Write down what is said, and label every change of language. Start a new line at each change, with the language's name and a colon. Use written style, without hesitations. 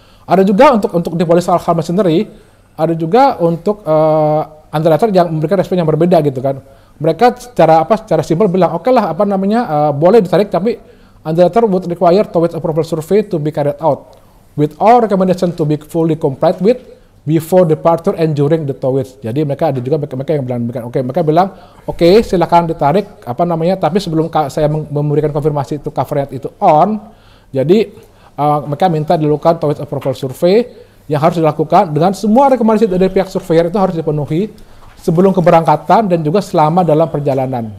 Indonesian: Ada juga untuk di polis hal-hal sendiri, ada juga untuk underwriter yang memberikan respon yang berbeda gitu kan. Mereka secara simpel bilang, oke lah apa namanya, boleh ditarik, tapi
English: underwriter would require towage approval survey to be carried out with all recommendation to be fully complied with before departure and during the towage.
Indonesian: Jadi mereka ada juga mereka yang bilang, oke, silakan ditarik, apa namanya, tapi sebelum saya memberikan konfirmasi itu cover rate itu on, jadi mereka minta dilakukan towage approval survey yang harus dilakukan dengan semua rekomendasi dari pihak surveyor itu harus dipenuhi sebelum keberangkatan dan juga selama dalam perjalanan.